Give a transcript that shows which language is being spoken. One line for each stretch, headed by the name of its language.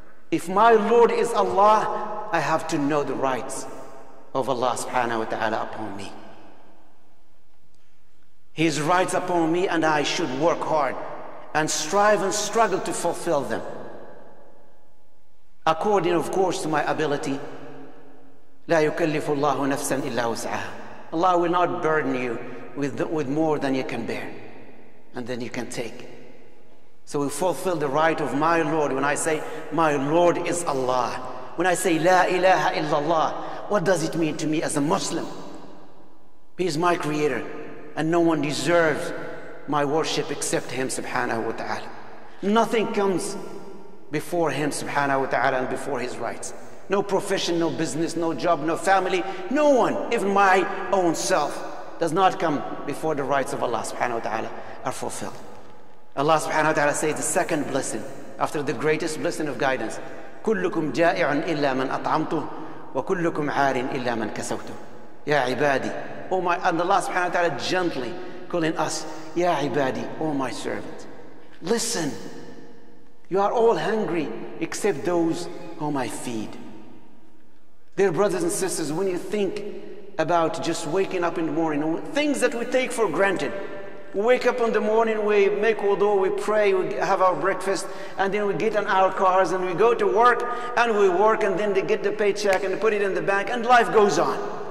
English: If my Lord is Allah, I have to know the rights of Allah subhanahu wa ta'ala upon me. His rights upon me, and I should work hard and strive and struggle to fulfill them, according, of course, to my ability.
Arabic: لا يكلف الله نفسا إلا وسعها.
English: Allah will not burden you with more than you can bear and than you can take. So we fulfill the right of my Lord when I say, my Lord is Allah. When I say, La ilaha illallah, what does it mean to me as a Muslim? He is my creator, and no one deserves my worship except Him subhanahu wa ta'ala. Nothing comes before Him subhanahu wa ta'ala and before His rights. No profession, no business, no job, no family, no one, even my own self, does not come before the rights of Allah subhanahu wa ta'ala are fulfilled. Allah subhanahu wa ta'ala says the second blessing after the greatest blessing of guidance.
Arabic: كلكم جائع إلا من أطعمته وكلكم عار إلا من كسوته. يا عبادي.
English: Oh my, and Allah subhanahu wa ta'ala gently calling us, Ya ibadi, oh my servant, listen, you are all hungry except those whom I feed. Dear brothers and sisters, when you think about just waking up in the morning, things that we take for granted, we wake up in the morning, we make wudu, we pray, we have our breakfast, and then we get in our cars and we go to work, and we work, and then they get the paycheck and put it in the bank, and life goes on.